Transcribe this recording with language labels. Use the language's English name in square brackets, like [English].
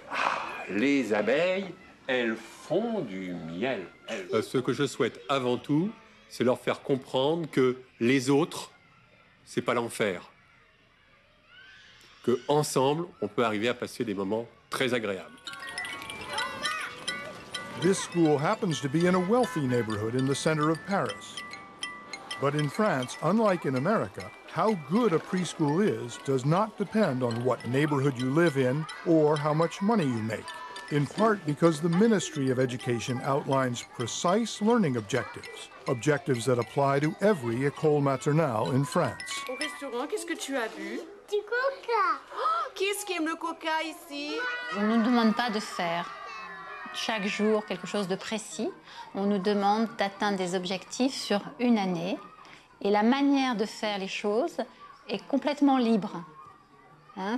[French] Ah, les abeilles, elles font du miel. Ce que je souhaite avant tout, c'est leur faire comprendre que les autres, c'est pas l'enfer. Que ensemble, on peut arriver à passer des moments très agréables. [English] This school happens to be in a wealthy neighborhood in the center of Paris. But in France, unlike in America, how good a preschool is does not depend on what neighborhood you live in or how much money you make, in part because the Ministry of Education outlines precise learning objectives, objectives that apply to every École Maternelle in France. [French] Au restaurant, qu'est-ce que tu as vu? Du coca. Oh, qui est-ce qui aime le coca ici? On ne nous demande pas de faire chaque jour quelque chose de précis. On nous demande d'atteindre des objectifs sur une année. Et la manière de faire les choses est complètement libre. Hein?